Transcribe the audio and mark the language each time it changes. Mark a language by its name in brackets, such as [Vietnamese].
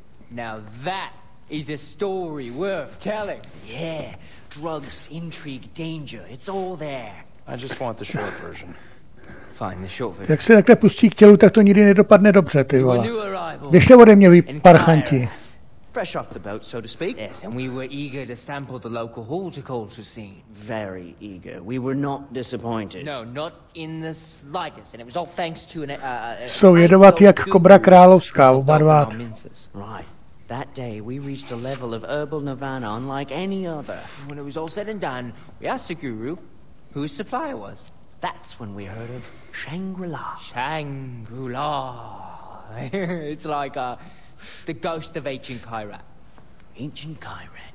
[English] Now that is a story worth telling. Yeah, drugs, intrigue, danger, it's all there. I just want the short version. Fine, the short version. [Czech] Jak se takhle pustí k tělu, tak to nikdy nedopadne dobře, ty vole. Běžte ode mě, vy parchanti. [English] Fresh off the boat, so to speak. Yes, and we were eager to sample the local horticulture scene. Very eager. We were not disappointed. No, not in the slightest. And it was all thanks to an... [Czech] Jsou jedovat jak kobra královská, oba dvát. [English] Right. That day, we reached a level of herbal nirvana unlike any other. And when it was all said and done, we asked the guru who his supplier was. That's when we heard of Shangri-La. Shangri-La. It's like the ghost of ancient Kyrat. Ancient Kyrat.